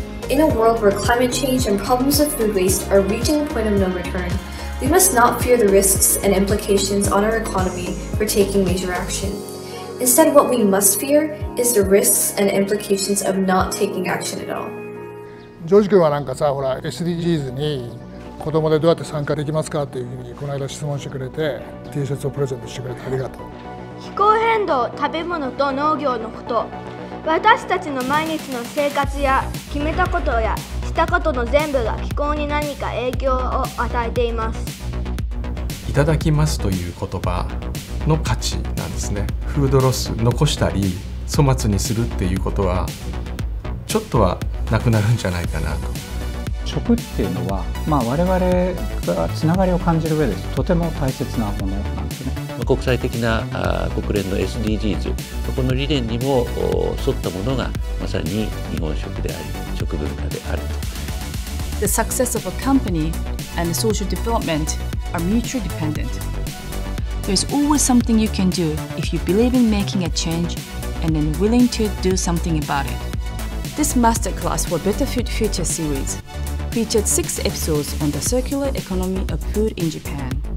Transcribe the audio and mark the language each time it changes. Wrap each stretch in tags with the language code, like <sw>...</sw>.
<en>In a world where climate change and problems with food waste are reaching a point of no return, we must not fear the risks and implications on our economy for taking major action. Instead, what we must fear is the risks and implications of not taking action at all.</en> <ja>SDGs に子供でどうやって参加できますかっていうふうにこの間質問してくれて T シャツをプレゼントしてくれてありがとう。気候変動、食べ物と農業のこと、私たちの毎日の生活や決めたことやしたことの全部が気候に何か影響を与えています。いただきますという言葉の価値なんですね。フードロス残したり粗末にするっていうことはちょっとはなくなるんじゃないかなと。食っていうのは、我々がつながりを感じる上でとても大切なものなんですね。国際的な国連の SDGs、この理念にも沿ったものがまさに日本食であり、食文化であると。</ja> <en>The success of a company and social development are mutually dependent. There's always something you can do if you believe in making a change and then willing to do something about it. This masterclass for Better Food Future series. Featured 6 episodes on the circular economy of food in Japan.</en>